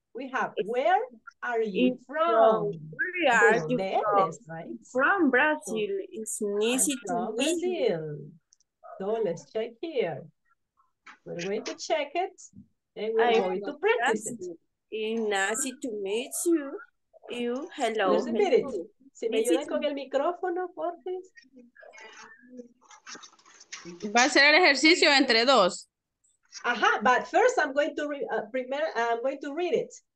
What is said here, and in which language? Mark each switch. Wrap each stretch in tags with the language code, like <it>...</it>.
<en>We have, where are you from? Where are you from? From Brazil. It's easy to meet. From Brazil. So let's check here. We're going to check it, and we're going to practice it. Ignacio, to meet you. You, hello. Just a minute.</en> <es>Si me ayudas con el micrófono, por favor. Va a ser el ejercicio entre dos.</es> <en>Ajá, but first I'm going to read it.</en>